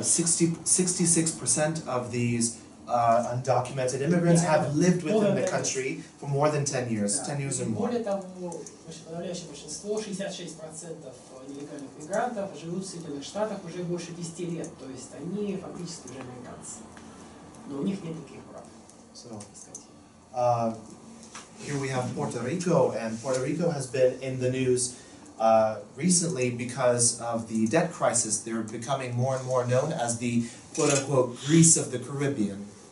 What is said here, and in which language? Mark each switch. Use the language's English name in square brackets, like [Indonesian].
[English] 66% of these undocumented immigrants have lived within the country for more than 10 years, 10 years or more. [Russian] Более того, подавляющее большинство, 66% нелегальных мигрантов, живут в Соединенных Штатах уже больше 10 лет, то есть они фактически уже американцы. Но у них нет никаких прав. [English] Here we have Puerto Rico, and Puerto Rico has been in the news recently because of the debt crisis. They're becoming more and more known as the quote-unquote Greece of the Caribbean.